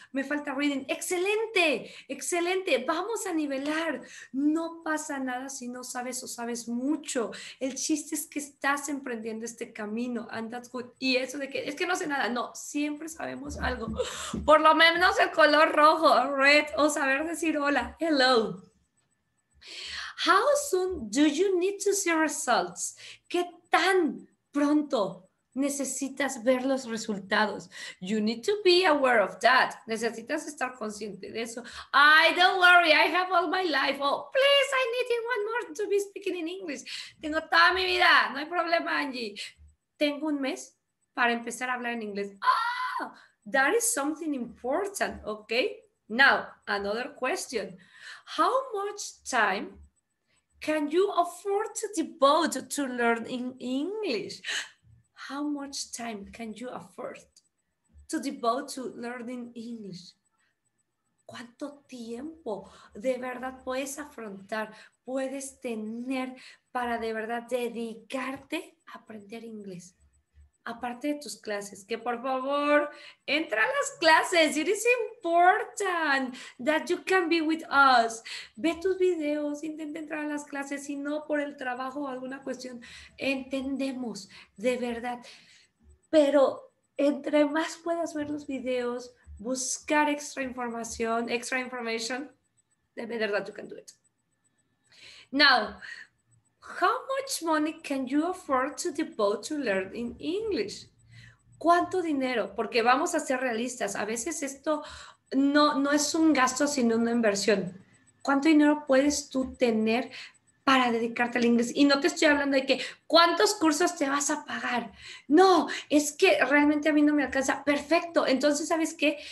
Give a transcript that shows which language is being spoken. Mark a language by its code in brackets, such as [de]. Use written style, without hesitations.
[es] Me falta reading. Excelente. Excelente. Vamos a nivelar. No pasa nada si no sabes o sabes mucho. El chiste es que estás emprendiendo este camino. [en] And that's good. [es] Y eso de que es que no sé nada. No, siempre sabemos algo. Por lo menos el color rojo, red, o saber decir hola. [en] Hello. How soon do you need to see results? [es] ¿Qué tan pronto necesitas ver los resultados? [en] You need to be aware of that. [es] Necesitas estar consciente de eso. [en] Ay, don't worry, I have all my life. Oh, please, I need it one more to be speaking in English. [es] Tengo toda mi vida, no hay problema, Angie. Tengo un mes para empezar a hablar en inglés. [en] Ah, oh, that is something important, okay? Now, another question. How much time can you afford to devote to learning English? How much time can you afford to devote to learning English? [es] ¿Cuánto tiempo de verdad puedes afrontar, puedes tener para de verdad dedicarte a aprender inglés? Aparte de tus clases, que por favor, entra a las clases. [en] It is important that you can be with us. [es] Ve tus videos, intenta entrar a las clases. Si no, por el trabajo o alguna cuestión, entendemos de verdad. Pero entre más puedas ver los videos, buscar extra información, de verdad, [en] you can do it. Now, how much money can you afford to devote to learning English? [es] ¿Cuánto dinero? Porque vamos a ser realistas. A veces esto no es un gasto, sino una inversión. ¿Cuánto dinero puedes tú tener para dedicarte al inglés? Y no te estoy hablando de que ¿cuántos cursos te vas a pagar? No, es que realmente a mí no me alcanza. Perfecto. Entonces, ¿sabes qué?